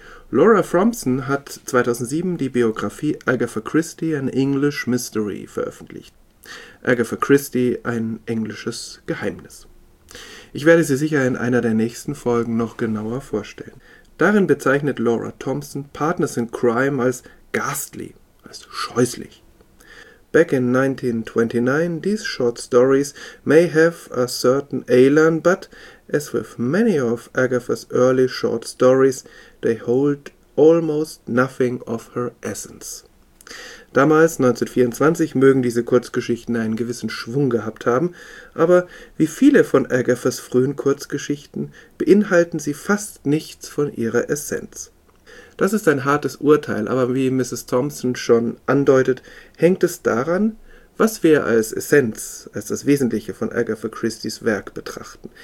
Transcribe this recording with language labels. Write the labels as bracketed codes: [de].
[de] Laura Frompson hat 2007 die Biografie Agatha Christie, an English Mystery, veröffentlicht. Agatha Christie, ein englisches Geheimnis. Ich werde sie sicher in einer der nächsten Folgen noch genauer vorstellen. Darin bezeichnet Laura Thompson Partners in Crime als ghastly, als scheußlich. [en] Back in 1929, these short stories may have a certain allure, but as with many of Agatha's early short stories, they hold almost nothing of her essence. [de] Damals, 1924, mögen diese Kurzgeschichten einen gewissen Schwung gehabt haben, aber wie viele von Agathas frühen Kurzgeschichten beinhalten sie fast nichts von ihrer Essenz. Das ist ein hartes Urteil, aber wie Mrs. Thompson schon andeutet, hängt es daran, was wir als Essenz, als das Wesentliche von Agatha Christies Werk betrachten.